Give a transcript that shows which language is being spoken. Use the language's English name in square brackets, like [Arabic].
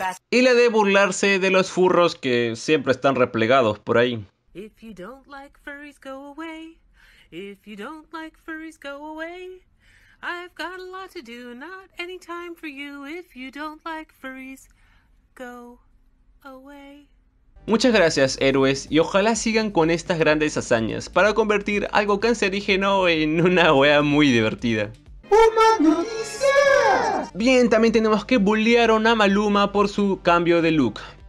[Spanish] Y le de burlarse de los furros que siempre están replegados por ahí. [English] If you don't like furries, go away. If you don't like furries, go away. I've got a lot to do, not any time for you. If you don't like furries, go away. [Spanish] Muchas gracias, héroes, y ojalá sigan con estas grandes hazañas para convertir algo cancerígeno en una wea muy divertida. ¡Una noticia! Bien, también tenemos que bullearon a Maluma por su cambio de look.